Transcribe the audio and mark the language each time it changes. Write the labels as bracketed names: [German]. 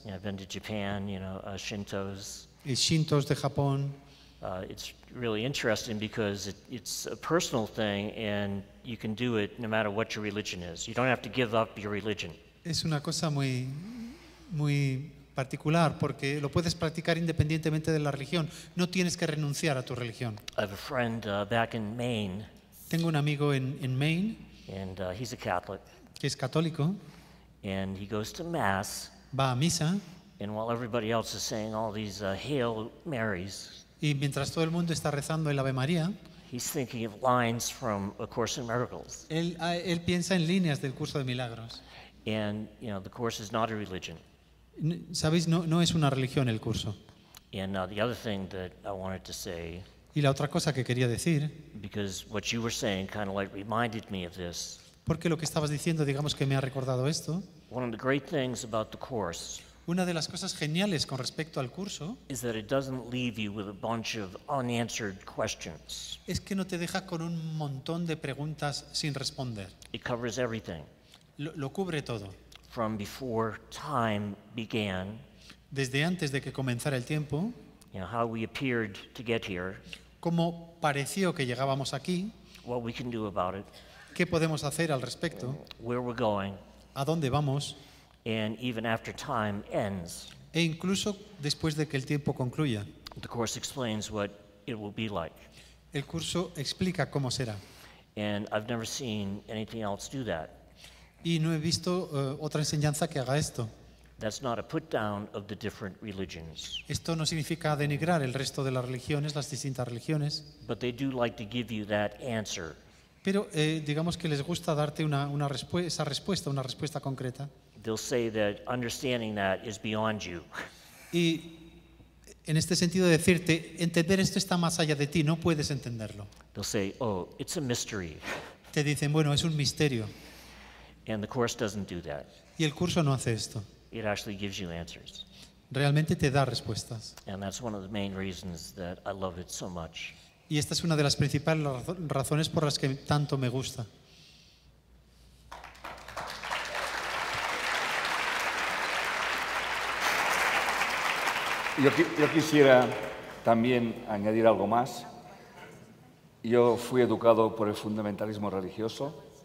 [English] Yeah, I've been to Japan, you know, shintos. [Spanish] Y shintos de Japón. [English] It's really interesting because it's a personal thing and you can do it no matter what your religion is. You don't have to give up your religion. [Spanish] Es una cosa muy, muy particular porque lo puedes practicar independientemente de la religión. No tienes que renunciar a tu religión. [English] I have a friend back in Maine. [Spanish] Tengo un amigo en Maine, [English] and, he's a Catholic, [Spanish] que es católico, [English] and he goes to mass, [Spanish] va a misa, [English] and while everybody else is saying all these Hail Marys, [Spanish] y mientras todo el mundo está rezando el Ave María, [English] he's thinking of lines from A Course in Miracles. [Spanish] Él piensa en líneas del curso de milagros. [English] And you know, the course is not a religion. [Spanish] Sabéis, no es una religión el curso. [English] And the other thing that I wanted to say. [Spanish] Y la otra cosa que quería decir, [English] because what you were saying kind of like reminded me of this. [Spanish] Porque lo que estabas diciendo, digamos que me ha recordado esto. [English] One of the great things about the course. [Spanish] Una de las cosas geniales con respecto al curso [English] is that it doesn't leave you with a bunch of unanswered questions. [Spanish] Es que no te deja con un montón de preguntas sin responder. [English] It covers everything. [Spanish] lo cubre todo. [English] From before time began. [Spanish] Desde antes de que comenzara el tiempo. [English] You know, how we appeared to get here. [Spanish] Cómo pareció que llegábamos aquí. [English] What we can do about it. [Spanish] Qué podemos hacer al respecto. [English] Where we're going. [Spanish] A dónde vamos. [English] And even after time ends. [Spanish] E incluso después de que el tiempo concluya. [English] The course explains what it will be like. [Spanish] El curso explica cómo será. [English] And I've never seen anything else do that. [Spanish] Y no he visto otra enseñanza que haga esto. [English] That's not a put down of the different religions. [Spanish] Esto no significa denigrar el resto de las religiones, las distintas religiones. [English] But they do like to give you that answer. [Spanish] Pero digamos que les gusta darte una respuesta concreta. [English] They'll say that understanding that is beyond you. [Spanish] Y en este sentido decirte, entender esto está más allá de ti, no puedes entenderlo. [English] They'll say, oh, it's a mystery. [Spanish] Te dicen, bueno, es un misterio. [English] And the course doesn't do that. [Spanish] Y el curso no hace esto. [English] It actually gives you answers. [Spanish] Realmente te da respuestas. [English] And that's one of the main reasons that I love it so much. [Spanish] Y esta es una de las principales razones por las que tanto me gusta. Yo quisiera también añadir algo más. Yo fui educado por el fundamentalismo religioso.